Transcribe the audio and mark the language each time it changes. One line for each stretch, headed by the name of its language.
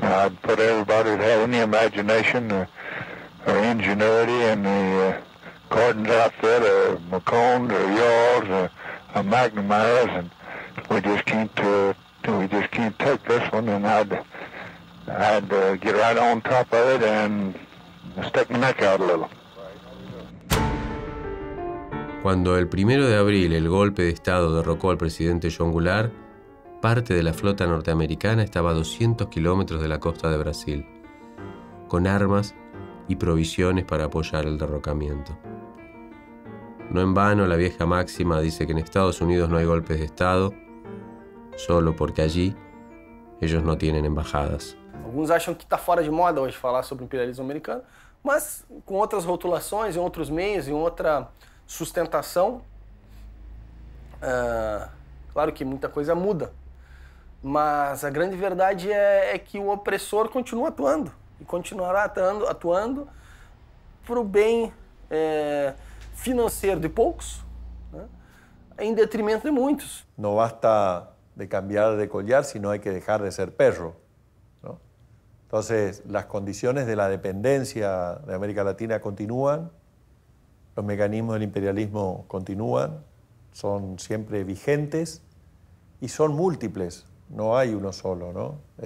English: I'd put everybody that had any imagination or ingenuity in the Gordon's outfit, or McCone's, or yours, or McNamara's, and we just can't... We just can't take this one, and I'd get right on top of it and stick my neck out a little.
Spanish: Cuando el 1 de abril el golpe de Estado derrocó al presidente John Goulart, parte de la flota norteamericana estaba a 200 kilómetros de la costa de Brasil, con armas y provisiones para apoyar el derrocamiento. No en vano la vieja máxima dice que en Estados Unidos no hay golpes de Estado, solo porque allí ellos no tienen embajadas.
Portuguese: Alguns acham que está fora de moda hoje falar sobre o imperialismo americano, mas com outras rotulações e outros meios e outra sustentação, claro que muita coisa muda. Mas a grande verdade é que o opressor continua atuando e continuará atuando para o bem financeiro de poucos, né, em detrimento de muitos. Não basta
Spanish: de cambiar de collar, sino hay que dejar de ser perro, ¿no? Entonces, las condiciones de la dependencia de América Latina continúan, los mecanismos del imperialismo continúan, son siempre vigentes y son múltiples, no hay uno solo, ¿no?